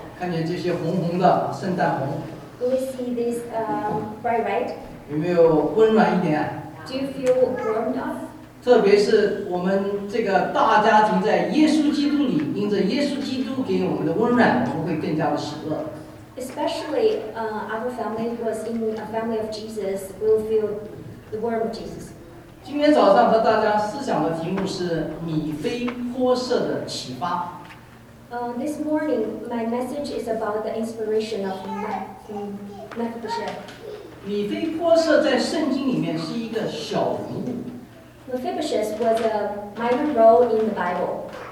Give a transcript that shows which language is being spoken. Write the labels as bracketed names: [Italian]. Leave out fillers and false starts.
[Chinese] 看见这些红红的圣诞红， [English] do we see this bright red？ [Chinese] 有没有温暖一点？ [English] Do you feel warm enough？ [Chinese] 特别是我们这个大家庭在耶稣基督里， 因着耶稣基督给我们的温暖， 我们会更加的喜乐。 [English] Especially our family was in a family of Jesus, will feel the warmth of Jesus. [Chinese] 今天早上和大家思想的题目是米非波设的启发。 [English] This morning, my message is about the inspiration of Mephibosheth. [Chinese] 米非波设在圣经里面是一个小人物。 [English] Mephibosheth was a minor role in the Bible.